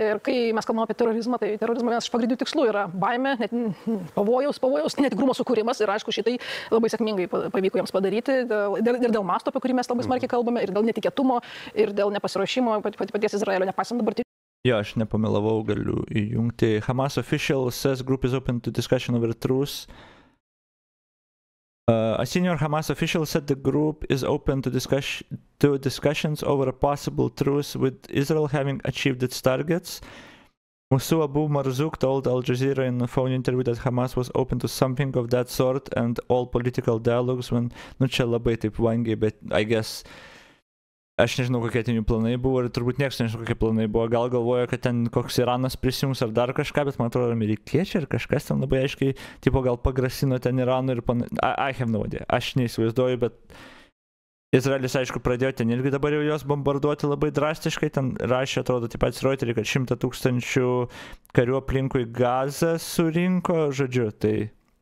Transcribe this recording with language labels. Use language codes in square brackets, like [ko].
[lt] Ir kai mes kalbame apie terorizmą, tai terorizmo vienas iš pagrindinių tikslų yra baimė, net pavojaus, netikrumo sukūrimas ir aišku, šitai labai sėkmingai pavyko jiems padaryti. Ir dėl masto, apie kurį mes labai smarkiai kalbame, ir dėl netikėtumo, ir dėl nepasiruošimo paties Izraelio, nepaisant dabar. Jo, aš nepamilavau, galiu įjungti. [en] Hamas official says group is open to discussion over truce. A senior Hamas official said the group is open to discussions over a possible truce with Israel having achieved its targets. Musu Abu Marzouk told Al Jazeera in a phone interview that Hamas was open to something of that sort and all political dialogues when, [lt] nu čia labai taip vangiai, bet [en] I guess, [lt] aš nežinau, kokie ten jų planai buvo ir turbūt niekas nežinau, kokie planai buvo, gal galvojo, kad ten koks Iranas prisijungs ar dar kažką, bet man atrodo, amerikiečiai ar kažkas ten labai aiškiai, tipo gal pagrasino ten Iranų ir [en] I have no idea, [lt] aš neįsivaizduoju, bet Izraelis, aišku, pradėjo ten irgi dabar jau jos bombarduoti labai drastiškai, ten rašė, atrodo, taip pat Reuters, kad 100,000 karių aplinkui Gazą surinko, žodžiu, tai...